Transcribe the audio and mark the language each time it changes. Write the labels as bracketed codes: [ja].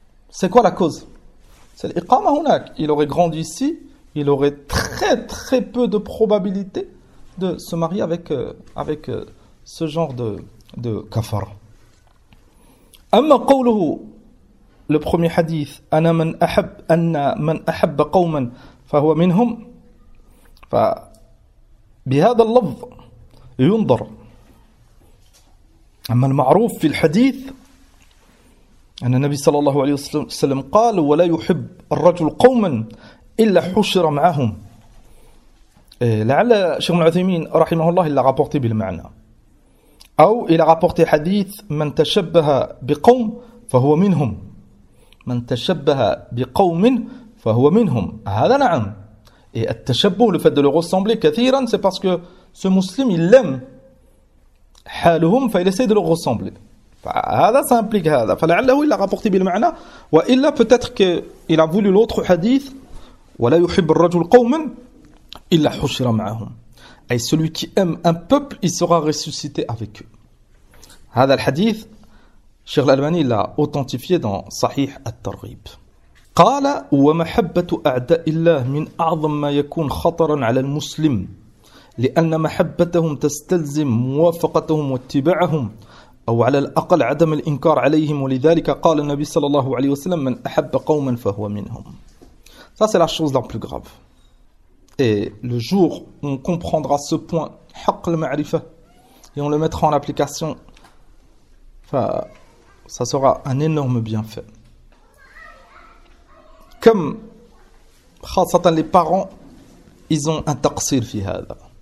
[fr] C'est quoi la cause? C'est l' [ar] iqama hunak. [fr] Il aurait grandi ici, il aurait très très peu de probabilité de se marier avec ce genre de kafar. [ar] Amma qawluhu, [fr] le premier hadith, [ar] anna man ahabba qawman, فهو منهم فبهذا اللفظ ينظر أما المعروف في الحديث أن النبي صلى الله عليه وسلم قال ولا يحب الرجل قوما إلا حشر معهم لعل شيخ العثيمين رحمه الله إلا rapporté بالمعنى أو إلا rapporté حديث من تشبه بقوم فهو منهم من تشبه بقوم فهو منهم هذا نعم. [fr] Et at-tashabbuh, le fait de le ressembler, kathiran, c'est parce que ce musulman, il l'aime. Haluhum, il essaie de le ressembler. Ça implique ça. [ar] Fala'allahu, [fr] il l'a rapporté [ar] bil-ma'na. Wa illa, [fr] peut-être qu'il a voulu l'autre hadith. [ar] Wa la yuhib al-rajul qawman, illa hushira ma'ahum. [fr] Et celui qui aime un peuple, il sera ressuscité avec eux. [ar] Hada al-hadith, [fr] Cheikh l'Albani l'a authentifié dans Sahih al-Targhib. [ar] قال ومحبة أعداء الله من أعظم ما يكون خطرا على المسلم لأن محبتهم تستلزم موافقتهم واتباعهم أو على الأقل عدم الإنكار عليهم ولذلك قال النبي صلى الله عليه وسلم من أحب قوما فهو منهم. [fr] Ça c'est la chose la plus grave. Et le jour où on comprendra ce point, [ar] حق المعرفة, [fr] et on le mettra en application, ça sera un énorme bienfait. Comme certains les parents, ils ont un [ar] taqsir fi hada.